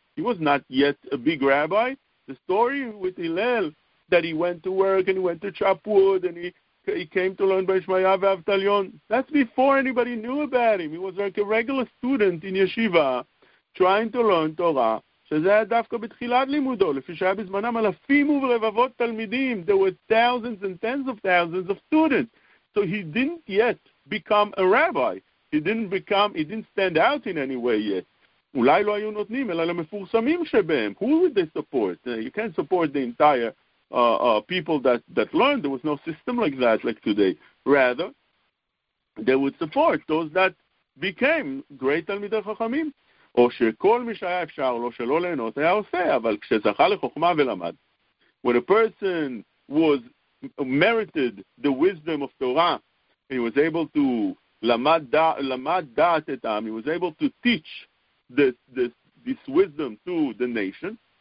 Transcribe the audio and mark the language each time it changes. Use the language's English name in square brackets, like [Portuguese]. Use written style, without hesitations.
[English] He was not yet a big rabbi. The story with Hillel that he went to work and he went to chop wood and he came to learn b'Shmaya v'Avtalion. That's before anybody knew about him. He was like a regular student in yeshiva, trying to learn Torah. [Hebrew] שזה היה דווקא בתחילת לימודו, לפי שהיה בזמנם אלפים ורבבות תלמידים. [English] There were thousands and tens of thousands of students. So he didn't yet become a rabbi. He didn't stand out in any way yet. [Hebrew] אולי לא היו נותנים, אלא למפורסמים שבהם. [English] Who would they support? You can't support the entire people that learned. There was no system like that, like today. Rather, they would support those that became great תלמידי חכמים. [Hebrew] או שכל מי שהיה אפשר לו שלא ליהנות היה עושה, אבל כשזכה לחוכמה ולמד. [English] When a person was merited the wisdom of Torah, he was able to [Hebrew] למד דעת את העם, [English] he was able to teach this wisdom to the nation.